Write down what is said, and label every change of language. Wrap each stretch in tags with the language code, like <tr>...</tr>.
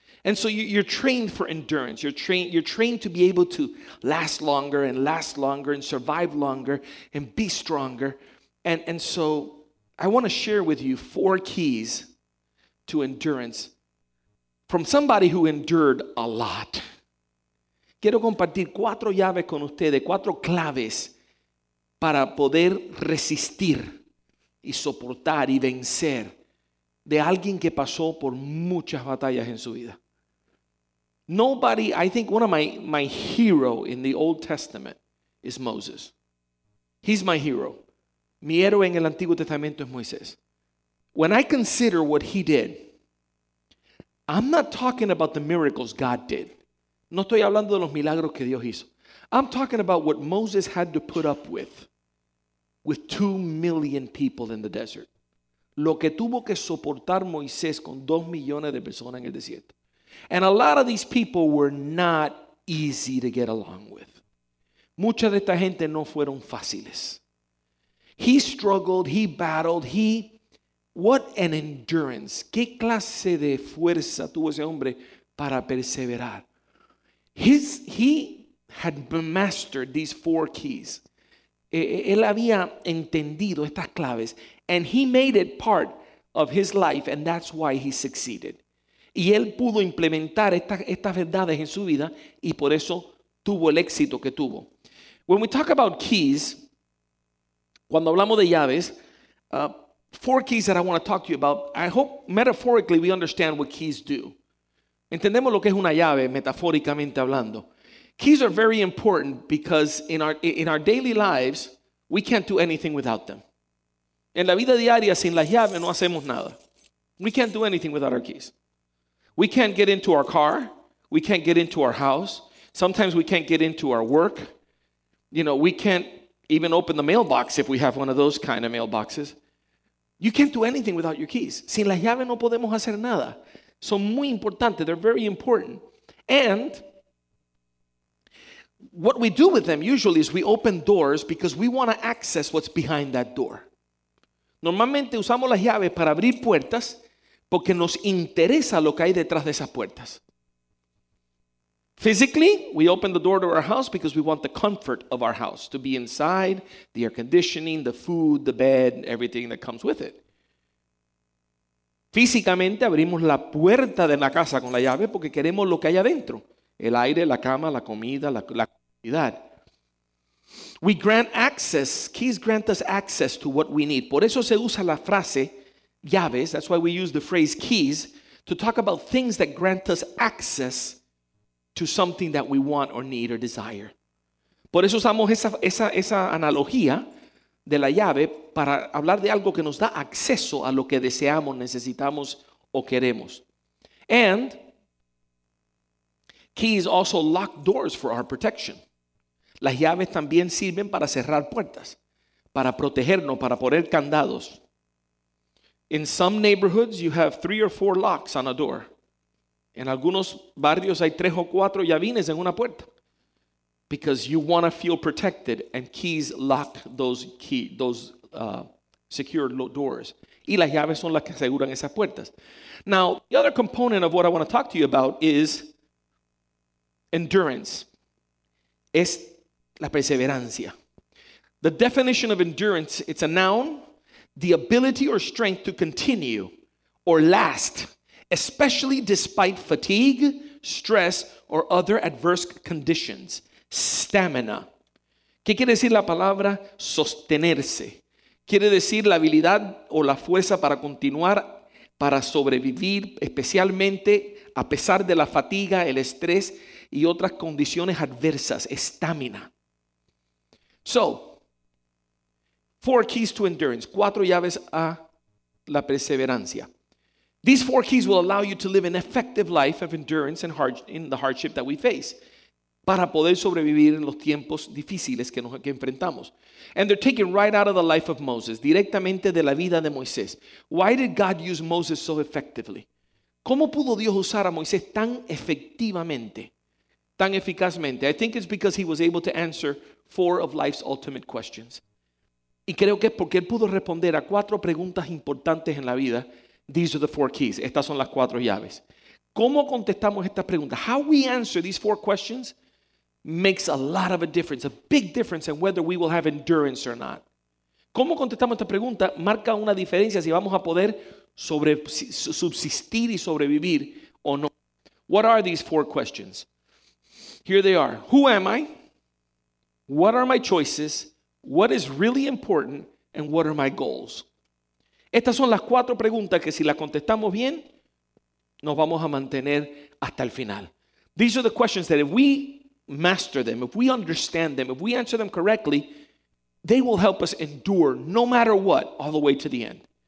<en>And so you're trained for endurance. You're trained to be able to last longer and survive longer and be stronger. And so I want to share with you 4 keys to endurance from somebody who endured a lot.</en> <es>Quiero compartir 4 llaves con ustedes, 4 claves para poder resistir y soportar y vencer de alguien que pasó por muchas batallas en su vida.</es> <en>Nobody, I think one of my hero in the Old Testament is Moses. He's my hero.</en> <es>Mi héroe en el Antiguo Testamento es Moisés.</es> <en>When I consider what he did, I'm not talking about the miracles God did.</en> <es>No estoy hablando de los milagros que Dios hizo.</es> <en>I'm talking about what Moses had to put up with 2 million people in the desert.</en> <es>Lo que tuvo que soportar Moisés con 2 millones de personas en el desierto.</es> <en>And a lot of these people were not easy to get along with.</en> <es>Mucha de esta gente no fueron fáciles.</es> <en>He struggled, he battled, what an endurance.</en> <es>¿Qué clase de fuerza tuvo ese hombre para perseverar?</es> <en>He had mastered these 4 keys.</en> <es>Él había entendido estas claves.</es> <en>And he made it part of his life, and that's why he succeeded.</en> <es>Y él pudo implementar estas verdades en su vida y por eso tuvo el éxito que tuvo.</es> <en>When we talk about keys,</en> <es>cuando hablamos de llaves,</es> <en>4 keys that I want to talk to you about, I hope metaphorically we understand what keys do.</en> <es>Entendemos lo que es una llave, metafóricamente hablando.</es> <en>Keys are very important because in our daily lives, we can't do anything without them.</en> <es>En la vida diaria, sin las llaves, no hacemos nada.</es> <en>We can't do anything without our keys. We can't get into our car. We can't get into our house. Sometimes we can't get into our work. You know, we can't even open the mailbox if we have one of those kind of mailboxes. You can't do anything without your keys.</en> <es>Sin las llaves no podemos hacer nada. Son muy importantes.</es> <en>They're very important. And what we do with them usually is we open doors because we want to access what's behind that door.</en> <es>Normalmente usamos las llaves para abrir puertas porque nos interesa lo que hay detrás de esas puertas.</es> <en>Physically, we open the door to our house because we want the comfort of our house, to be inside, the air conditioning, the food, the bed, everything that comes with it.</en> <es>Físicamente, abrimos la puerta de la casa con la llave porque queremos lo que hay adentro, el aire, la cama, la comida, la comodidad.</es> <en>We grant access. Keys grant us access to what we need.</en> <es>Por eso se usa la frase llaves,</es> <en>that's why we use the phrase keys, to talk about things that grant us access to something that we want or need or desire.</en> <es>Por eso usamos esa analogía de la llave para hablar de algo que nos da acceso a lo que deseamos, necesitamos o queremos.</es> <en>And keys also lock doors for our protection.</en> <es>Las llaves también sirven para cerrar puertas, para protegernos, para poner candados.</es> <en>In some neighborhoods, you have 3 or 4 locks on a door.</en> <es>En algunos barrios hay 3 o 4 llavines en una puerta.</es> <en>Because you want to feel protected, and keys lock those secure doors.</en> <es>Y las llaves son las que aseguran esas puertas.</es> <en>Now, the other component of what I want to talk to you about is endurance.</en> <es>Es la perseverancia.</es> <en>The definition of endurance, it's a noun, the ability or strength to continue or last, especially despite fatigue, stress, or other adverse conditions.</en> <es>Stamina. ¿Qué quiere decir la palabra sostenerse? Quiere decir la habilidad o la fuerza para continuar, para sobrevivir, especialmente a pesar de la fatiga, el estrés y otras condiciones adversas.</es> <en>Stamina. So, 4 keys to endurance.</en> <es>4 llaves a la perseverancia.</es> <en>These 4 keys will allow you to live an effective life of endurance and in the hardship that we face.</en> <es>Para poder sobrevivir en los tiempos difíciles que enfrentamos.</es> <en>And they're taken right out of the life of Moses.</en> <es>Directamente de la vida de Moisés.</es> <en>Why did God use Moses so effectively?</en> <es>¿Cómo pudo Dios usar a Moisés tan efectivamente? Tan eficazmente.</es> <en>I think it's because he was able to answer 4 of life's ultimate questions.</en> <es>Y creo que es porque él pudo responder a 4 preguntas importantes en la vida.</es> <en>These are the 4 keys.</en> <es>Estas son las 4 llaves. ¿Cómo contestamos estas preguntas?</es> <en>How we answer these 4 questions makes a lot of a difference, a big difference in whether we will have endurance or not.</en> <es>¿Cómo contestamos esta pregunta? Marca una diferencia si vamos a poder subsistir y sobrevivir o no.</es> <en>What are these 4 questions? Here they are. Who am I? What are my choices? What is really important? And what are my goals?</en> <es>Estas son las 4 preguntas que si las contestamos bien, nos vamos a mantener hasta el final.</es> <en>These are the questions that if we master them, if we understand them, if we answer them correctly, they will help us endure no matter what, all the way to the end.</en>